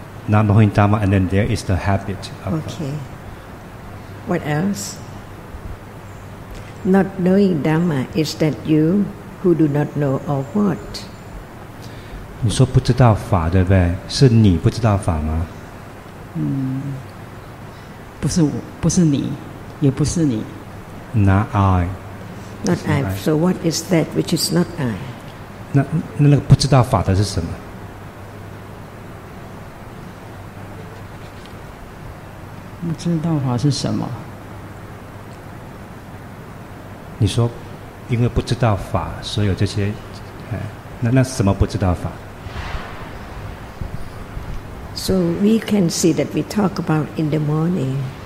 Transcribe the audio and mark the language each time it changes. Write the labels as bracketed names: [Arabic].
[English] Not knowing Dharma, and then there is the habit. Of okay. What else? Not knowing Dharma is that you who do not know or what? [Chinese] 你说不知道法，对不对？是你不知道法吗？不是我，不是你，也不是你。 [English] Not I. Not I. So what is that which is not I? [Chinese] 那个不知道法的是什么？不知道法是什么？你说，因为不知道法，所以有这些，那什么不知道法？ [English] So we can see that we talk about in the morning.